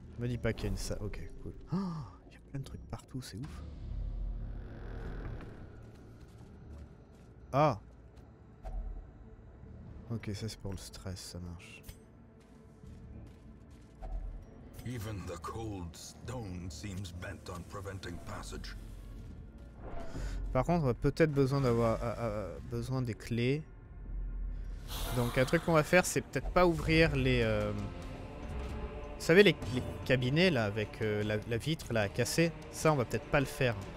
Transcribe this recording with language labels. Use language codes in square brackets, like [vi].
[fr] Me dis pas qu'il y a une salle. Ok, cool. Oh, y a plein de trucs partout, c'est ouf. Ah. Ok, ça c'est pour le stress, ça marche. [en] Even the cold stone seems bent on preventing passage. [fr] Par contre, on a peut-être besoin d'avoir besoin des clés. Donc un truc qu'on va faire, c'est peut-être pas ouvrir les vous savez les cabinets là avec la vitre là cassée, ça on va peut-être pas le faire.